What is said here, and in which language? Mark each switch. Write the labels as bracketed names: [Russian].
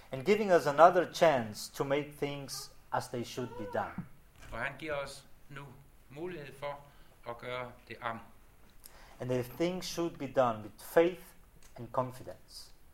[English] And giving us another chance to make things as they should be done. [Danish] Og han giver os nu mulighed for at gøre det om. [English] And if things should be done with faith and confidence.